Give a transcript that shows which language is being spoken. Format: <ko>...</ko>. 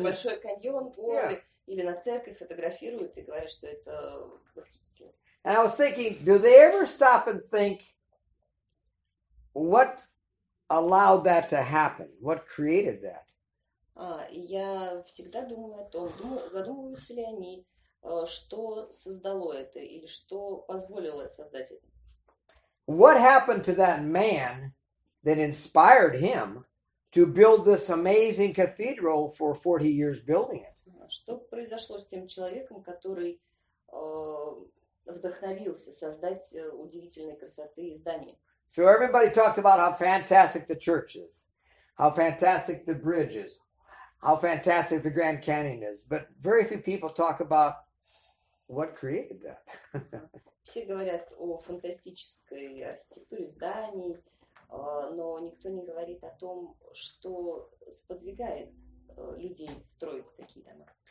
<ru>Большой каньон, горы, yeah. Или на церковь фотографируют и говорят, что это восхитительно.</ru> <en>And I was thinking, do they ever stop and think, what allowed that to happen? What created that?</en> <ru>Я всегда думаю о том, задумываются ли они, что создало это или что позволило создать это.</ru> <en>What happened to that man that inspired him to build this amazing cathedral for 40 years building it?</en> <ru>Что произошло с тем человеком, который вдохновился создать удивительной красоты здание?</ru> <en>So everybody talks about how fantastic the church is, how fantastic the bridge is. How fantastic the Grand Canyon is. But very few people talk about what created that.</en> <ru>Все говорят о фантастической архитектуре зданий, но никто не говорит о том, что сподвигает людей строить такие дома.</ru>